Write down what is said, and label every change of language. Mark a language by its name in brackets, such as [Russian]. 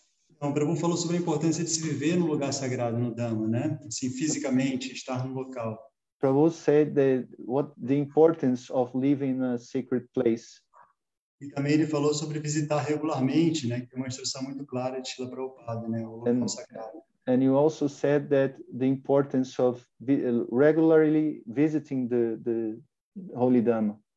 [Portuguese] Então, Prabhu falou sobre a importância de se viver no lugar sagrado, no Dhamma, né? Assim, fisicamente, estar no local. [English] Prabhu said that what the importance of living in a sacred place. [Portuguese] E também ele falou sobre visitar regularmente, né? Que é uma instrução muito clara de Srila Prabhupada, né? O local sagrado. [English] And you also said that the importance of regularly visiting the Holy Dhamma.